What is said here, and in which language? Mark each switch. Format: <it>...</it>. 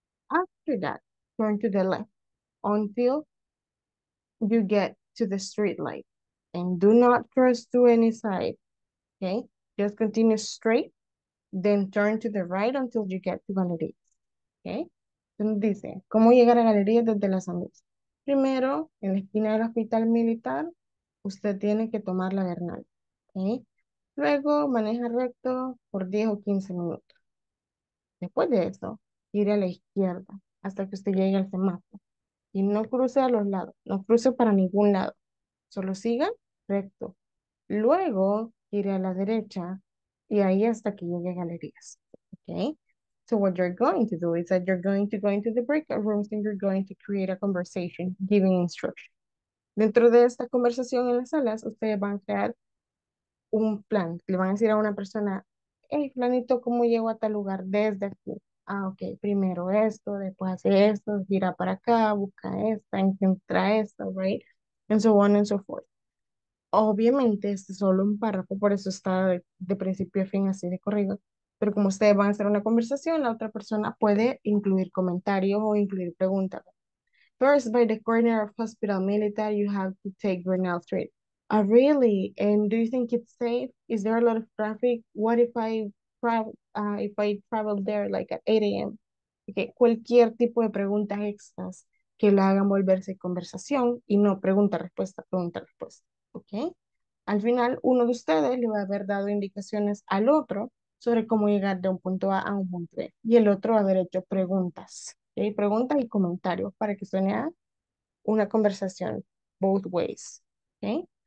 <en>After that, turn to the left until you get to the street light. And do not cross to any side, okay? Just continue straight, then turn to the right until you get to galerías, okay?</en> <es>Entonces dice, ¿cómo llegar a galerías desde las Andes? Primero, en la esquina del hospital militar, usted tiene que tomar la Bernal, okay? Luego, maneja recto por 10 o 15 minutos. Después de eso, gire a la izquierda hasta que usted llegue al semáforo. Y no cruce a los lados, no cruce para ningún lado. Solo siga recto. Luego, gire a la derecha y ahí hasta que llegue a galerías. Okay?</es> <en>So what you're going to do is that you're going to go into the breakout rooms and you're going to create a conversation, giving instruction.</en> <es>Dentro de esta conversación en las salas, ustedes van a crear un plan. Le van a decir a una persona, hey, planito, ¿cómo llego a tal lugar desde aquí? Ah, ok, primero esto, después hace esto, gira para acá, busca esta, encuentra esta,</es> <en>right? And so on and so forth.</en> <es>Obviamente, este es solo un párrafo, por eso está de principio a fin así de corrido. Pero como ustedes van a hacer una conversación, la otra persona puede incluir comentarios o incluir preguntas.</es> <en>First, by the corner of Hospital Militar, you have to take Bernal Street. Ah, really? And do you think it's safe? Is there a lot of traffic? What if I travel there like at 8 a.m.? Okay.</en> <es>Cualquier tipo de preguntas extras que la hagan volverse conversación y no pregunta-respuesta, pregunta-respuesta. Okay. Al final, uno de ustedes le va a haber dado indicaciones al otro sobre cómo llegar de un punto A a un punto B. Y el otro va a haber hecho preguntas. Okay. Preguntas y comentarios para que suene a una conversación</es> <en>both ways.</en> <es>Okay.</es>